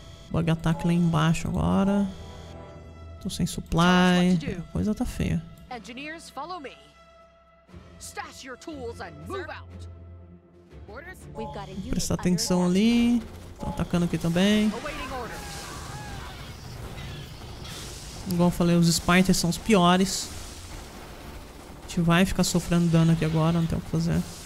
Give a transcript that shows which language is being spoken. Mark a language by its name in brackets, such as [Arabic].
[English] Bug attack [Portuguese] lá embaixo agora. Tô sem supply. A coisa tá feia. [English] Engineers, follow me. Stash your tools and move out. [Portuguese] Prestar atenção ali. Tô atacando aqui também. Igual eu falei, os Spiders são os piores. A gente vai ficar sofrendo dano aqui agora, não tem o que fazer.